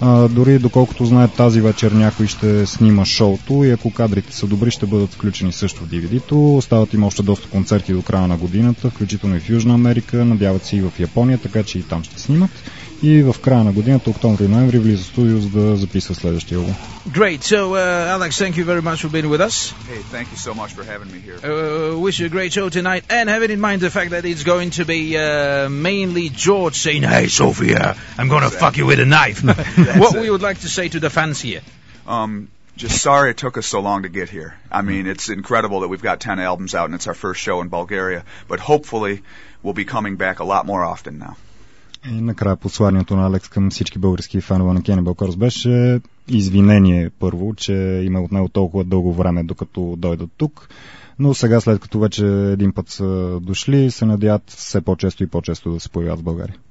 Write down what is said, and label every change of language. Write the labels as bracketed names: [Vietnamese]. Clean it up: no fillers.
[Bulgarian] Дори доколкото знае, тази вечер някой ще снима шоуто и ако кадрите са добри, ще бъдат включени също в DVD-то. Остават им още доста концерти до края на годината, включително и в Южна Америка, надяват се и в Япония, така че и там ще снимат. И в края на годината, октомври и ноември, влиза в студио, за да записва следващия го. [English] Great. So, Alex, thank you very much for being with us. Hey, thank you so much for having me here. Wish you a great show tonight. And having in mind the fact that it's going to be mainly George saying, hey, Sophia, I'm going to fuck you with a knife. What we would like to say to the fans here? Just sorry it took us so long to get here. I mean, it's incredible that we've got 10 albums out and it's our first show in Bulgaria. But hopefully we'll be coming back a lot more often now. [Bulgarian] И накрая посланието на Алекс към всички български фанове на Cannibal Corpse беше извинение първо, че има от него толкова дълго време, докато дойдат тук. Но сега, след като вече един път са дошли, се надяват все по-често и по-често да се появят в България.